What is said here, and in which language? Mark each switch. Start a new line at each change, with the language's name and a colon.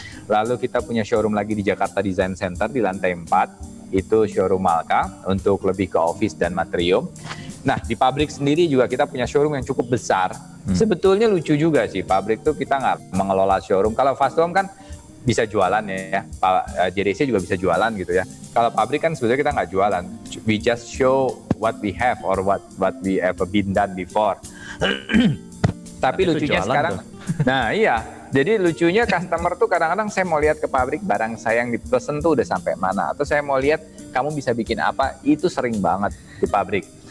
Indonesian: Lalu kita punya showroom lagi di Jakarta Design Center di lantai 4, itu showroom Malka untuk lebih ke office dan material. Nah, di pabrik sendiri juga kita punya showroom yang cukup besar. Sebetulnya lucu juga sih, pabrik tuh kita nggak mengelola showroom. Kalau Fast Home kan bisa jualan ya, Pak JDC juga bisa jualan gitu ya. Kalau pabrik kan sebetulnya kita nggak jualan.
English: We just show what we have or what we ever been done before.
Indonesian: Tapi lucunya sekarang, nah iya, Jadi lucunya customer tuh kadang-kadang saya mau lihat ke pabrik barang saya yang dipesan tuh udah sampai mana, atau saya mau lihat kamu bisa bikin apa, itu sering banget di pabrik.